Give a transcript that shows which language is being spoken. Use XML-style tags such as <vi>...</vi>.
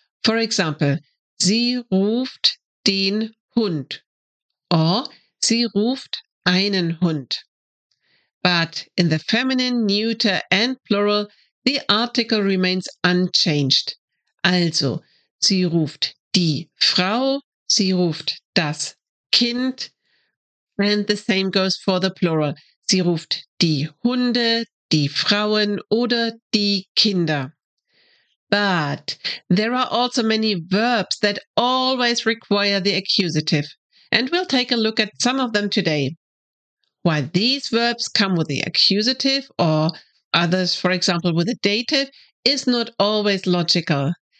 <en>For example,</en> <de>sie ruft den Hund,</de> <en>or</en> <de>sie ruft einen Hund.</de> <en>But in the feminine, neuter and plural, the article remains unchanged.</en> <de>Also, sie ruft die Frau, sie ruft das Kind.</de> <en>And the same goes for the plural.</en> <de>Sie ruft die Hunde, die Frauen oder die Kinder.</de> <en>But there are also many verbs that always require the accusative. And we'll take a look at some of them today. While these verbs come with the accusative, or others, for example, with a dative, is not always logical.</en>